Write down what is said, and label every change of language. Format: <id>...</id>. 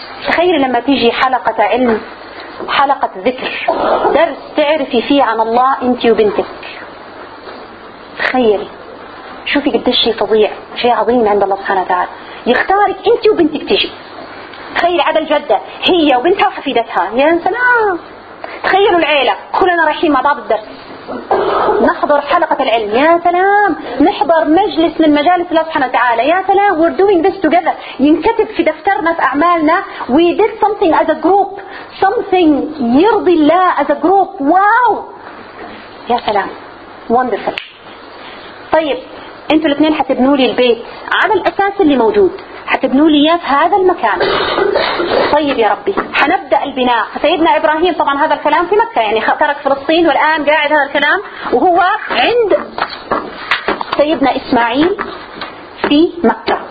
<ar>تخيلي لما تيجي حلقة علم، حلقة ذكر، درس تعرفي فيه عن الله أنت وبنتك، تخيلي شوفي قديش شيء فظيع، شيء عظيم عند الله سبحانه وتعالى. يختارك أنت وبنتك تيجي. تخيلي على الجدة هي وبنتها وحفيدتها، يا سلام. تخيلوا العيلة كلنا رايحين مع بعض الدرس، نحضر حلقة العلم، يا سلام. نحضر مجلس من مجالس الله سبحانه وتعالى، يا سلام.</ar> <en>We're doing this together.</en> <ar>ينكتب في دفترنا في أعمالنا</ar> <en>We did something as a group. Something</en> <ar>يرضي الله</ar> <en>as a group. Wow.</en> <ar>يا سلام.</ar> <en>Wonderful.</en> <ar>طيب انتوا الاثنين حتبنولي البيت على الأساس اللي موجود، حتبنولي إياه في هذا المكان. طيب يا ربي حنبدأ البناء. سيدنا إبراهيم طبعا هذا الكلام في مكة، يعني ترك فلسطين والآن قاعد هذا الكلام وهو عند سيدنا إسماعيل في مكة.</ar>